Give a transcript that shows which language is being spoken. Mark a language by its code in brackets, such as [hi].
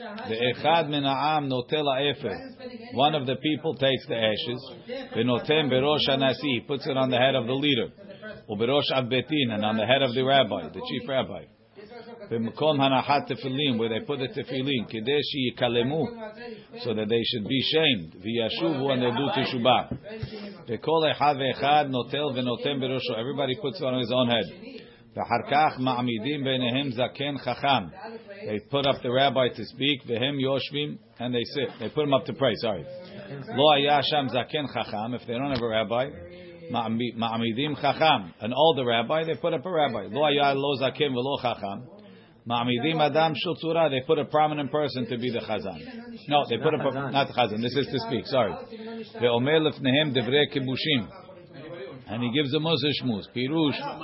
[he] ואחד מן העם נוטה לאפר, [en] one of the people takes the ashes, [he] ונותן בראש הנשיא, [en] puts it on the head of the leader, [he] ובראש הבטין, [en] and on the head of the rabbi, the chief rabbi. [he] במקום הנחת תפילין, [en] where they put the תפילין, [he] כדי שיקלמו, [en] so that they should be shamed, [he] וישובו הנדו תשובה. וכל אחד ואחד נוטל ונותן בראשו. [en] Everybody puts it on his own head. [he] ואחר כך מעמידים ביניהם זקן חכם. [en] They put up the rabbi to speak, [he] והם יושבים, [en] and they sit. They put him up to pray, sorry. [he] לא היה שם זקן חכם, [en] if they don't have a rabbi, [he] מעמידים חכם. [en] An older rabbi, they put up a rabbi. [he] לא היה לא זקן ולא חכם. מעמידים אדם של צורה, [en] they put a prominent person to be the chazan. No, they put up, not the chazan, this is to speak, sorry. [he] ואומר לפניהם דברי כיבושים. [en] And he gives them a mozeh shmuz. Pirush,